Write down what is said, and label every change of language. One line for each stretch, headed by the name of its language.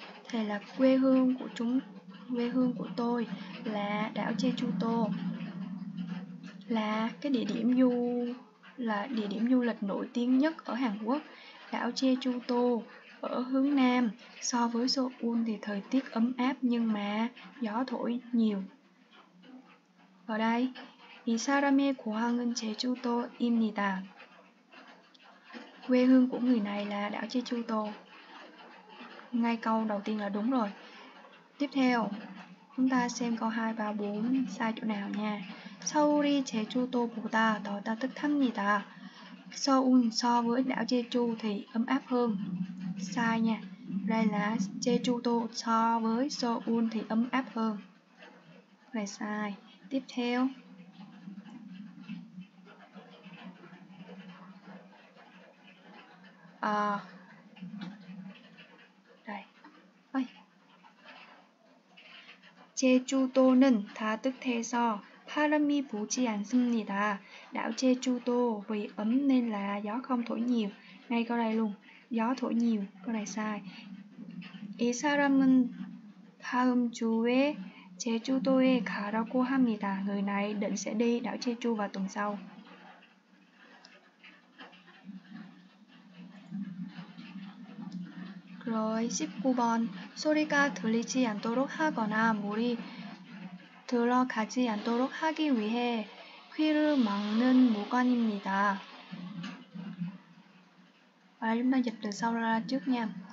Vietnamese: Thì là quê hương của tôi là đảo Jeju To, là cái địa điểm du lịch nổi tiếng nhất ở Hàn Quốc. Đảo Jeju To ở hướng Nam, so với Seoul thì thời tiết ấm áp nhưng mà gió thổi nhiều. Ở đây,
Korean: 이 사람의 고향은 제주도입니다.
Vietnamese: Quê hương của người này là đảo Jeju-do. Ngay câu đầu tiên là đúng rồi. Tiếp theo, chúng ta xem câu 2 và 4 sai chỗ nào nha.
Korean: 서울이 제주도보다 더 따뜻합니다.
Vietnamese: Seoul so với đảo Jeju thì ấm áp hơn. Sai nha. Đây là Jeju-do so với Seoul thì ấm áp hơn. Rồi sai. Tiếp theo. Đây. Ôi.
Korean: Jeju-do는 다 뜻해서 바람이 부지 않습니다.
Vietnamese: Đảo Jeju-do vì ấm nên là gió không thổi nhiều. Ngay câu này luôn. Gió thổi nhiều, câu này sai.
Korean: 이 사람은 다음 주에 제주도에 가라고 합니다.
Vietnamese: Người này định sẽ đi đảo Jeju vào tuần sau. Rồi 19번.
Korean: 소리가 들리지 않도록 하거나 물이 들어가지 않도록 하기 위해 휠을 막는 물건입니다.
Vietnamese: À, chúng ta dịch từ sau ra trước nha.